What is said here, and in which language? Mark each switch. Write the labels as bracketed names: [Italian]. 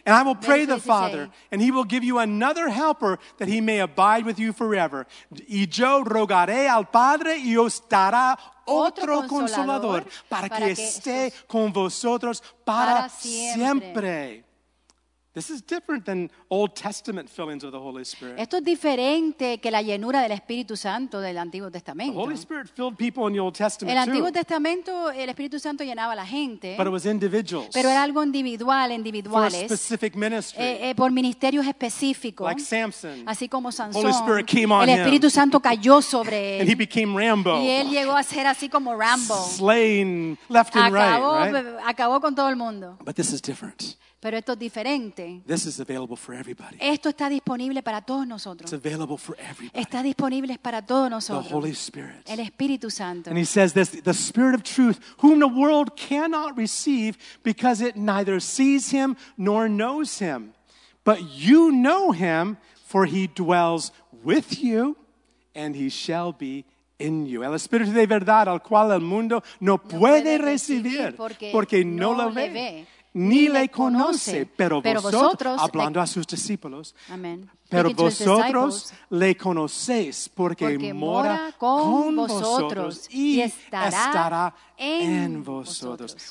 [English] And I will pray the Father, and he will give you another helper that he may abide with you forever. [Spanish] Y yo rogaré al Padre y os dará otro consolador para que esté con vosotros para siempre. [English] This is different than Old Testament fillings of the Holy Spirit. [Spanish] Esto es diferente que la llenura del Espíritu Santo del Antiguo Testamento. [English] The Holy Spirit filled people in the Old Testament [Spanish] el Antiguo Testamento el Espíritu Santo llenaba a la gente. [English] But it was individuals. [Spanish] Pero era algo individual, individuales. [English] For a specific ministry. [Spanish] Por ministerios específicos. [English] Like Samson. [Spanish] Así como Sansón. [English] Holy Spirit came on [Spanish] el Espíritu [English] him. [Spanish] Santo cayó sobre él. [English] And he became Rambo. [Spanish] Y él llegó a ser así como Rambo. [English] Slaying left and [Spanish] acabó, [English] right, [Spanish] acabó con todo el mundo. [English] But this is different. [Spanish] Pero esto es diferente. [English] This is available for everybody. [Spanish] Esto está disponible para todos nosotros. [English] It's available for everybody. [Spanish] Está disponible para todos nosotros. [English] The Holy Spirit. [Spanish] El Espíritu Santo. [English] And he says this, the Spirit of truth, whom the world cannot receive because it neither sees him nor knows him. But you know him, for he dwells with you and he shall be in you. [Spanish] El Espíritu de verdad al cual el mundo no puede recibir porque no lo ve. Ni le conoce, pero vosotros, hablando a sus discípulos, amen. Pero vosotros le conocéis porque mora con vosotros y estará en vosotros.